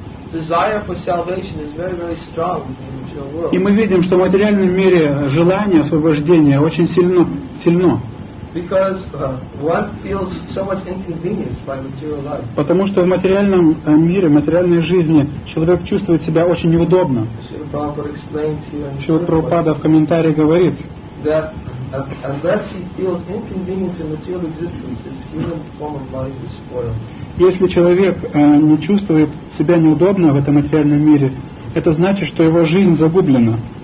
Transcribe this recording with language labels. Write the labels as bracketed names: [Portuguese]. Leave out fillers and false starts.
[English] Desire for salvation is very, very strong in the material world. [Russian] И мы видим, что в материальном мире желание освобождения очень сильно. [English] Because one feels so much inconvenienced by material life. [Russian] Потому что в материальном мире, в материальной жизни человек чувствует себя очень неудобно. Шрила Прабхупада в комментарии говорит, [English] that unless he feels inconvenience in material existence, his human form of life is spoiled. [Russian] Если человек не чувствует себя неудобно в этом материальном мире, это значит, что его жизнь загублена.